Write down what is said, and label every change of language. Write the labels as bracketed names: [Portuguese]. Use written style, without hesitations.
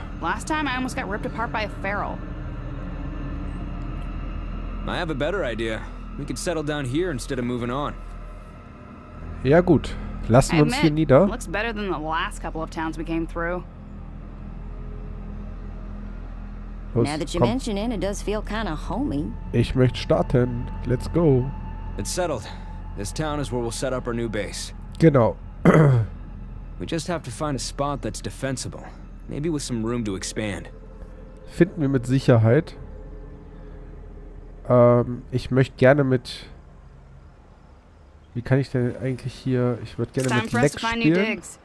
[English] Last time I almost got ripped apart by a feral. I have a better idea. We could settle down here instead of moving on. [German] Ja gut, lassen wir uns hier nieder. [English] Looks better than the last couple of towns we came through. Now that you mention it, it does feel kind of homey. [German] Ich möchte starten. [English] Let's go. It's settled. This town is where we'll set up our new base. [German] Genau. [English] We just have to find a spot that's defensible. Maybe with some room to expand. [German] Finden wir mit Sicherheit. Ich möchte gerne mit... Wie kann ich denn eigentlich hier... Ich würde gerne mit Lex spielen.